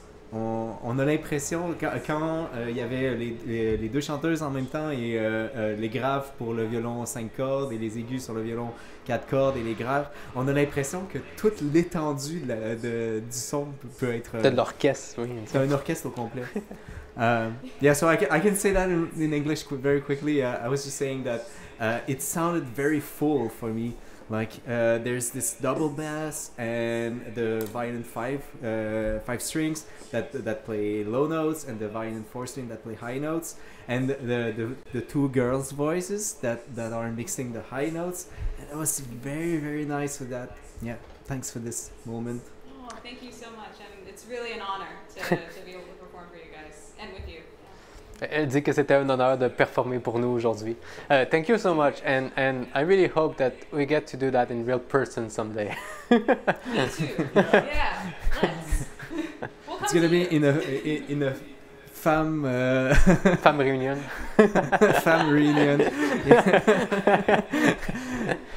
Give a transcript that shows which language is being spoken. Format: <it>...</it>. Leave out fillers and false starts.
<fr>On a l'impression quand il y avait les deux chanteuses en même temps et les graves pour le violon 5 cordes et les aigus sur le violon 4 cordes et les graves, on a l'impression que toute l'étendue du son peut être... De l'orchestre, oui. C'est un orchestre au complet.</fr> <en>so I can say that in English very quickly. I was just saying that it sounded very full for me. Like there's this double bass and the violin five strings that play low notes and the violin four string that play high notes and the two girls' voices that are mixing the high notes, and it was very, very nice with that. Yeah, thanks for this moment. Oh, thank you so much. It's really an honor to be able to perform for you guys and with you.</en> <fr>Elle dit que c'était un honneur de performer pour nous aujourd'hui.</fr> <en>Thank you so much, and I really hope that we get to do that in real person someday. Me too. Yeah. Yes. We'll come it's gonna be you. In a femme femme reunion. Femme reunion. Yeah.</en>